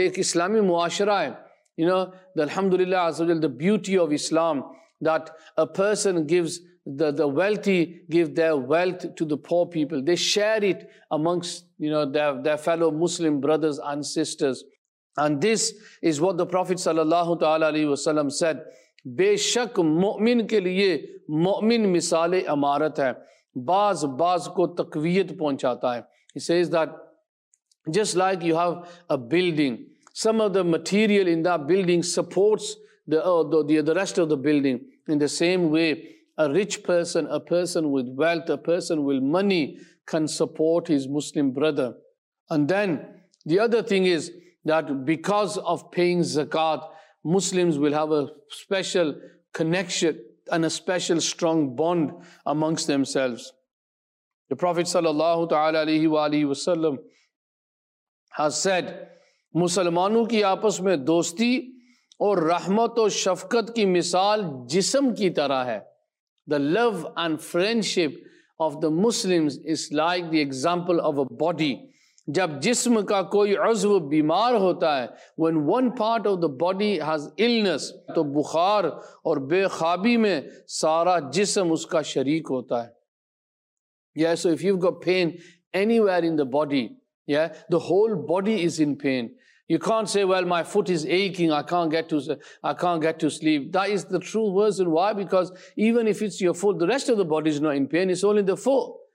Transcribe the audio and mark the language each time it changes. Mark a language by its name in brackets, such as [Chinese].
[Urdu] Ye ek Islami muashara hai. [English] You know, the alhamdulillah Azza wa Jal, the beauty of Islam, that a person gives, the wealthy give their wealth to the poor people. They share it amongst, you know, their fellow Muslim brothers and sisters. And this is what the Prophet sallallahu ta'ala alayhi wa sallam said. [Urdu] بے شک مؤمن کے لیے مؤمن مثال امارت ہے, بعض بعض کو تقویت پہنچاتا ہے. [English] He says that just like you have a building, some of the material in that building supports the rest of the building. In the same way, a rich person, a person with wealth, a person with money can support his Muslim brother. And then the other thing is that because of paying zakat, Muslims will have a special connection and a special strong bond amongst themselves. The Prophet sallallahu ta'ala alayhi wa alayhi wa sallam has said, [Urdu] مسلمانوں کی آپس میں دوستی اور رحمت و شفقت کی مثال جسم کی طرح ہے. [English] The love and friendship of the Muslims is like the example of a body. [Urdu] جب جسم کا کوئی عضو بیمار ہوتا ہے, [English] when one part of the body has illness, [Urdu] تو بخار اور بے خوابی میں سارا جسم اس کا شریک ہوتا ہے. [English] Yeah, so if you've got pain anywhere in the body, yeah, the whole body is in pain. You can't say, well, my foot is aching, I can't get to sleep. That is the true version. Why? Because even if it's your foot, the rest of the body is not in pain, it's only the foot.